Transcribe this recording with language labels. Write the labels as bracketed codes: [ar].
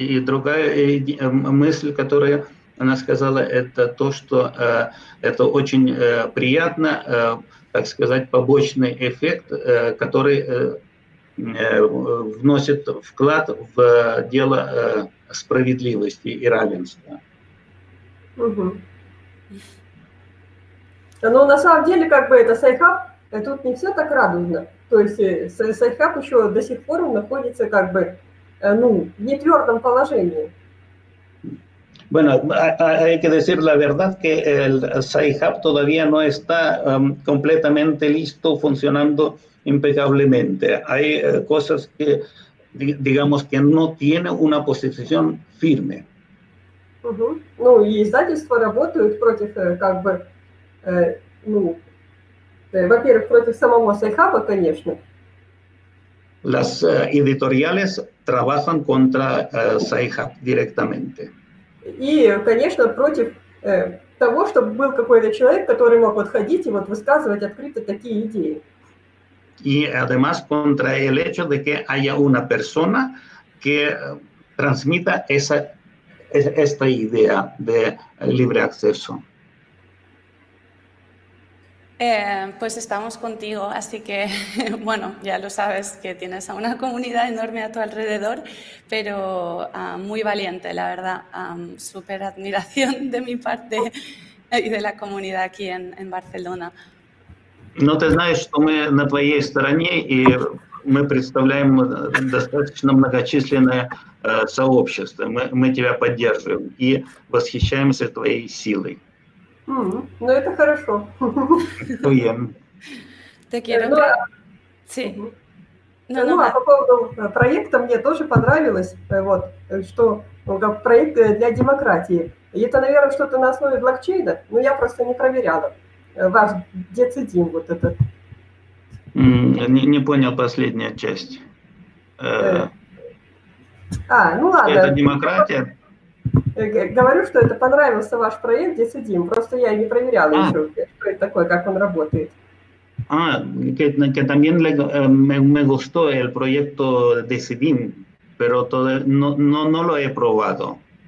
[ru] И другая мысль, которая... Она сказала, это то, что это очень приятно, так сказать, побочный эффект, который вносит вклад в дело справедливости и равенства. Угу. Но на самом деле, как бы это Sci-Hub, тут не все так радужно. То есть Sci-Hub еще до сих пор находится как бы в нетвердом положении. [es] Bueno, hay que decir la verdad que el Sci-Hub todavía no está completamente listo, funcionando impecablemente. Hay cosas que, digamos, que no tiene una posición firme. [ru] Uh-huh. Ну, и издательства работают против, как бы, во-первых, против самого Sci-Hub, конечно. [es] las editoriales trabajan contra Sci-Hub directamente. Y, [ru] конечно, против того, чтобы был какой-то человек, который мог подходить и вот высказывать открыто такие идеи. [es] Y además contra el hecho de que haya una persona que transmita esta idea de libre acceso. Pues estamos contigo, así que, bueno, ya lo sabes que tienes a una comunidad enorme a tu alrededor, pero muy valiente, la verdad, súper admiración de mi parte y de la comunidad aquí en Barcelona. Ну, ты знаешь, что мы на твоей стороне, и мы представляем достаточно многочисленное сообщество. Мы тебя поддерживаем и восхищаемся твоей силой. [ru] Ну, это хорошо. [es] Bien. Te quiero. Sí. [ru] Ну, а по поводу проекта мне тоже понравилось, вот, что проект для демократии. Это, наверное, что-то на основе блокчейна, но я просто не проверяла. Ваш децидин, вот это. Не понял последняя часть. Ну ладно. Это демократия? Говорю, что это понравился ваш проект Децидим. Просто я не проверяла еще, что это такое, как он работает. [es] Que también me gustó el proyecto Decidim, pero todo, no lo he probado.